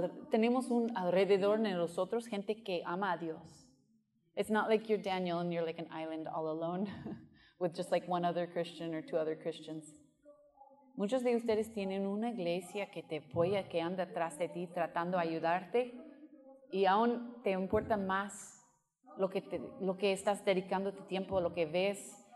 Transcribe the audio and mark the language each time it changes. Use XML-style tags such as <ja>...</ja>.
<es>Tenemos un alrededor de nosotros gente que ama a Dios.</es> <en>It's not like you're Daniel and you're like an island all alone with just like one other Christian or two other Christians.</en> <es>Muchos de ustedes tienen una iglesia que te apoya, que anda atrás de ti tratando de ayudarte y aún te importa más lo que estás dedicando tu tiempo, lo que ves.</es>